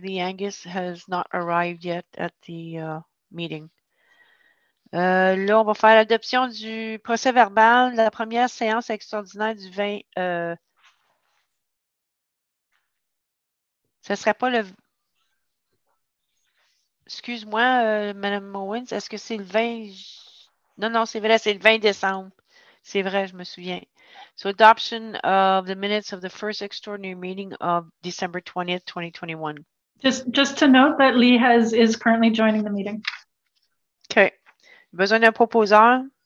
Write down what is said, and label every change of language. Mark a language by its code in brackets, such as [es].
[en] Lee Angus has not arrived yet at the meeting. [fr] Là, on va faire l'adoption du procès-verbal de la première séance extraordinaire du 20... ce ne serait pas le... Excuse-moi, Mme Owens, est-ce que c'est le 20... Non, c'est vrai, c'est le 20 décembre. C'est vrai, je me souviens. [en] So, adoption of the minutes of the first extraordinary meeting of December 20th, 2021. Just to note that Lee is currently joining the meeting. [fr] Okay. Besoin d'un proposeur?